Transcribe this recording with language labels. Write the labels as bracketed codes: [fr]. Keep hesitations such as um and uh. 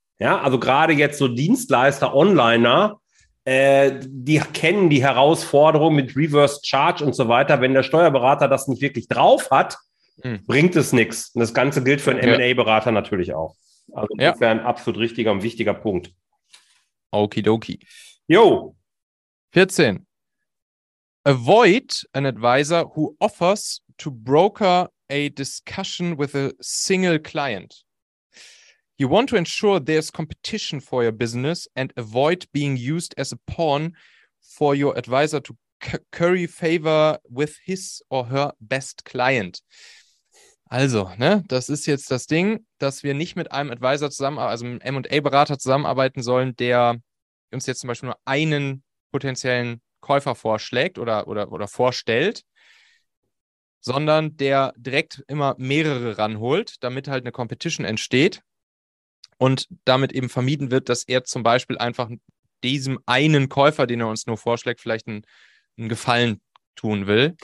[de] Ja, also gerade jetzt so Dienstleister, Onliner, äh, die kennen die Herausforderung mit Reverse Charge und so weiter. Wenn der Steuerberater das nicht wirklich drauf hat, Hm. bringt es nichts. Und das Ganze gilt für einen Ja. M&A-Berater natürlich auch. Also Ja. insofern ein absolut richtiger und wichtiger Punkt. Okidoki. Jo, 14. [en] Avoid an advisor who offers to broker a discussion with a single client. You want to ensure there's competition for your business and avoid being used as a pawn for your advisor to cu- curry favor with his or her best client. [de] Also, ne, das ist jetzt das Ding, dass wir nicht mit einem Advisor zusammen, also einem M&A-Berater zusammenarbeiten sollen, der uns jetzt zum Beispiel nur einen potenziellen Käufer vorschlägt oder, oder, oder vorstellt, sondern der direkt immer mehrere ranholt, damit halt eine Competition entsteht und damit eben vermieden wird, dass er zum Beispiel einfach diesem einen Käufer, den er uns nur vorschlägt, vielleicht einen, einen Gefallen tun will